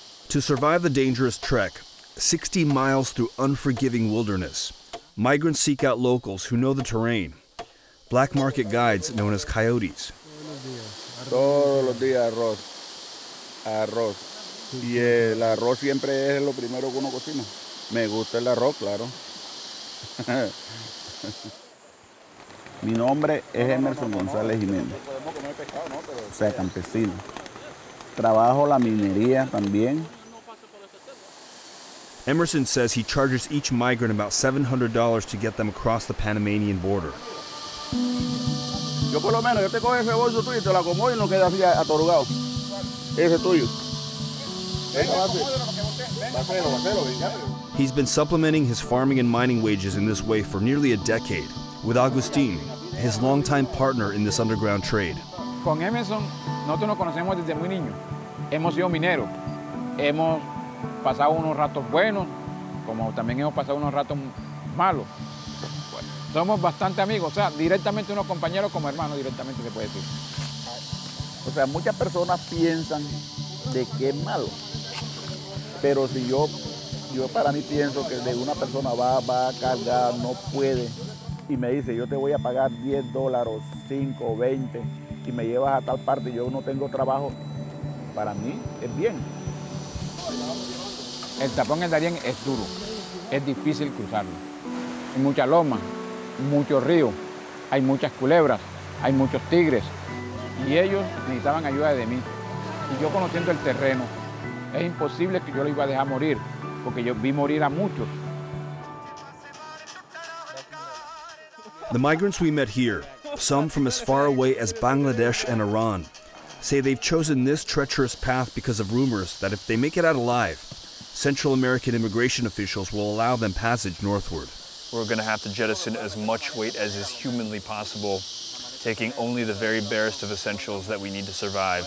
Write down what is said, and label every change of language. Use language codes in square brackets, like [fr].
[en] To survive the dangerous trek, 60 miles through unforgiving wilderness, migrants seek out locals who know the terrain, black market guides known as coyotes. [es] Todos los días arroz. Arroz. Y el arroz siempre es lo primero que uno cocina. Me gusta el arroz, claro. Mi nombre es Emerson González Jiménez. O sea, campesino. Trabajo la minería también. [en] Emerson says he charges each migrant about $700 to get them across the Panamanian border. [es] Yo por lo menos, yo te cojo ese bolso tuyo y te lo acomodo y no queda así atorugado. Ese tuyo. [en] He's been supplementing his farming and mining wages in this way for nearly a decade with Agustin, his longtime partner in this underground trade. [es] Con Emerson, nosotros nos conocemos desde muy niño. Hemos sido mineros. Hemos pasado unos ratos buenos, como también hemos pasado unos ratos malos. Bueno, somos bastante amigos, o sea, directamente unos compañeros como hermanos, directamente se puede decir. O sea, muchas personas piensan de que es malo, pero si yo para mí pienso que de una persona va a cargar, no puede, y me dice, yo te voy a pagar $10, 5, 20, y me llevas a tal parte, yo no tengo trabajo, para mí es bien. El tapón en Darien es duro, es difícil cruzarlo. Hay mucha loma, mucho río, hay muchas culebras, hay muchos tigres. Y ellos necesitaban ayuda de mí. Y yo conociendo el terreno, es imposible que yo lo iba a dejar morir, porque yo vi morir a muchos. [en] The migrants we met here, some from as far away as Bangladesh and Iran, say they've chosen this treacherous path because of rumors that if they make it out alive, Central American immigration officials will allow them passage northward. We're going to have to jettison as much weight as is humanly possible, taking only the very barest of essentials that we need to survive.